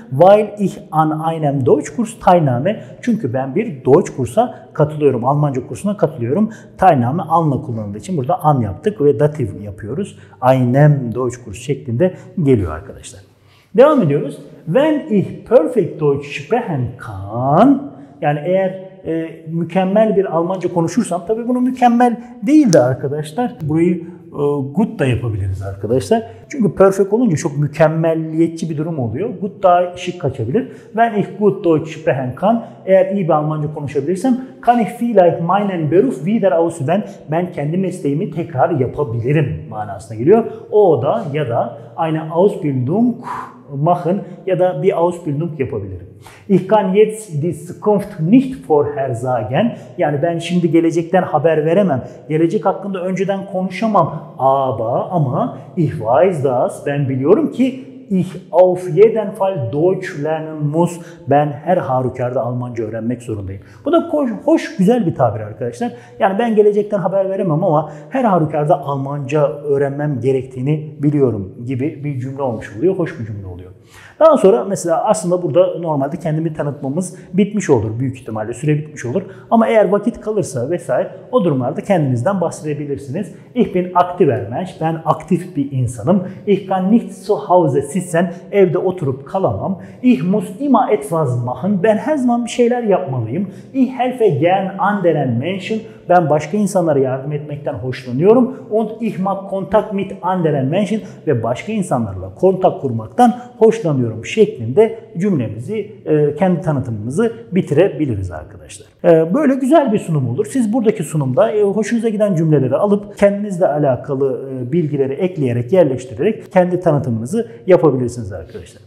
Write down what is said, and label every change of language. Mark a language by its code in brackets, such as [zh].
[de] Weil ich an einem Deutschkurs teilnehme. [tr] Çünkü ben bir Deutsch kursa katılıyorum. Almanca kursuna katılıyorum. Teilnehme an'la kullanıldığı için burada an yaptık ve dativ yapıyoruz. [de] Einem Deutschkurs [tr] şeklinde geliyor arkadaşlar. Devam ediyoruz. [de] Wenn ich perfect Deutsch sprechen kann. [tr] Yani eğer mükemmel bir Almanca konuşursam, tabii bunu mükemmel değildi arkadaşlar. Burayı good da yapabiliriz arkadaşlar. Çünkü perfect olunca çok mükemmelliyetçi bir durum oluyor. Good daha şık kaçabilir. [de] Wenn ich gut Deutsch sprechen kann, [tr] eğer iyi bir Almanca konuşabilirsem, [de] kann ich vielleicht meinen Beruf wieder ausüben, [tr] ben kendi mesleğimi tekrar yapabilirim manasına geliyor. O da ya da [de] eine Ausbildung machen [tr] ya da bir Ausbildung yapabilirim. [de] Ich kann jetzt die Zukunft nicht vorhersagen. [tr] Yani ben şimdi gelecekten haber veremem. Gelecek hakkında önceden konuşamam. [de] Ama ich weiß das. [tr] Ben biliyorum ki [de] ich auf jeden Fall Deutsch lernen muss. [tr] Ben her harükarda Almanca öğrenmek zorundayım. Bu da hoş, güzel bir tabir arkadaşlar. Yani ben gelecekten haber veremem ama her harükarda Almanca öğrenmem gerektiğini biliyorum gibi bir cümle olmuş oluyor. Hoş bir cümle oluyor. Daha sonra mesela aslında burada normalde kendimi tanıtmamız bitmiş olur. Büyük ihtimalle süre bitmiş olur. Ama eğer vakit kalırsa vesaire o durumlarda kendinizden bahsedebilirsiniz. [de] Ich bin aktiver Mensch. [tr] Ben aktif bir insanım. [de] Ich kann nicht zu Hause sitzen. [tr] Evde oturup kalamam. [de] Ich muss immer etwas machen. [tr] Ben her zaman bir şeyler yapmalıyım. [de] Ich helfe gern anderen Menschen. [tr] Ben başka insanlara yardım etmekten hoşlanıyorum. [de] Und ich mag Kontakt mit anderen Menschen [tr] ve başka insanlarla kontak kurmaktan hoşlanıyorum şeklinde cümlemizi, kendi tanıtımımızı bitirebiliriz arkadaşlar. Böyle güzel bir sunum olur. Siz buradaki sunumda hoşunuza giden cümleleri alıp kendinizle alakalı bilgileri ekleyerek, yerleştirerek kendi tanıtımınızı yapabilirsiniz arkadaşlar.